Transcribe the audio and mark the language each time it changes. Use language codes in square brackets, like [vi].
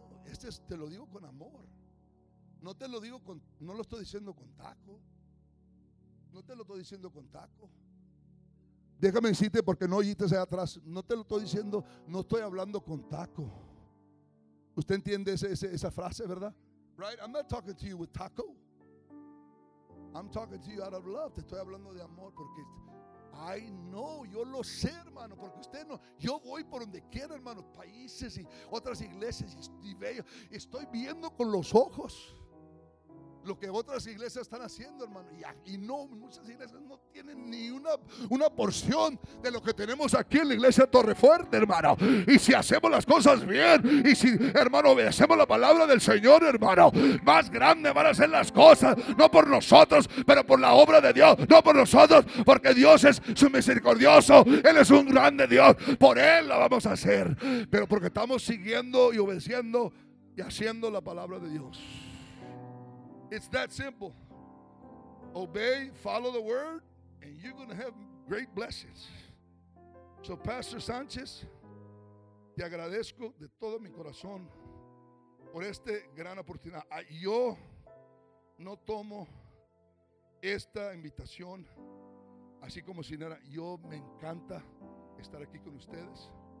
[es] Este es, te lo digo con amor. No te lo digo con, no lo estoy diciendo con taco. No te lo estoy diciendo con taco. Déjame decirte, porque no oíste allá atrás. No te lo estoy diciendo, no estoy hablando con taco. ¿Usted entiende esa frase, verdad? [en] Right, I'm not talking to you with taco. I'm talking to you out of love. [es] Te estoy hablando de amor porque [en] I know, [es] yo lo sé, hermano, porque usted no, yo voy por donde quiera, hermano, países y otras iglesias y veo, estoy viendo con los ojos lo que otras iglesias están haciendo, hermano, y no, muchas iglesias no tienen ni una porción de lo que tenemos aquí en la iglesia Torre Fuerte, hermano. Y si hacemos las cosas bien, y si, hermano, obedecemos la palabra del Señor, hermano, más grande van a ser las cosas, no por nosotros, pero por la obra de Dios, no por nosotros, porque Dios es su misericordioso, Él es un grande Dios, por Él la vamos a hacer, pero porque estamos siguiendo y obedeciendo y haciendo la palabra de Dios. [en] It's that simple. Obey, follow the word, and you're going to have great blessings. [es] So, Pastor Sanchez, te agradezco de todo mi corazón por esta gran oportunidad. Yo no tomo esta invitación así como si nada. Yo me encanta estar aquí con ustedes.